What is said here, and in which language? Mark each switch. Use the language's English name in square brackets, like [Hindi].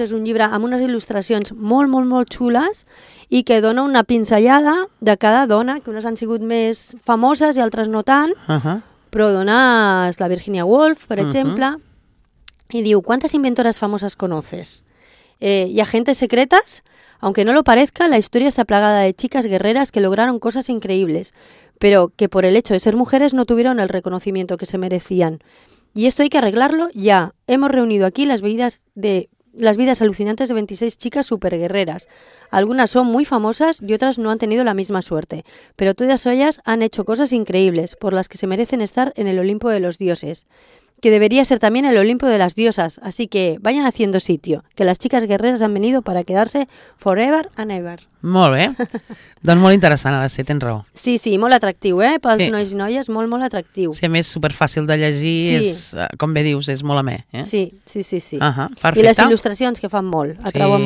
[Catalan] És un llibre amb unes il·lustracions molt, molt, molt xules i que dona una pinzellada de cada dona, que unes han sigut més famoses i altres no tant, però dones la Virginia Woolf, per exemple, i diu, [Spanish] ¿cuántas inventoras famosas conoces? ¿Y agentes secretas? Aunque no lo parezca, la historia está plagada de chicas guerreras que lograron cosas increíbles, pero que por el hecho de ser mujeres no tuvieron el reconocimiento que se merecían. Y esto hay que arreglarlo ya. Hemos reunido aquí las vidas alucinantes de 26 chicas superguerreras. Algunas son muy famosas y otras no han tenido la misma suerte, pero todas ellas han hecho cosas increíbles por las que se merecen estar en el Olimpo de los dioses, que debería ser también el Olimpo de las diosas, así que vayan haciendo sitio, que las chicas guerreras han venido para quedarse [English] forever and ever. [Catalan] Molt bé. Doncs molt interessant, ha de ser, tens raó. Sí, sí, molt atractiu, pels sí. Nois i noies, molt, molt atractiu. Sí, a més, superfàcil de llegir, sí. És, com bé dius, és molt amè. Sí, sí, sí, sí. Perfecte. I les il·lustracions que fan molt, atrauen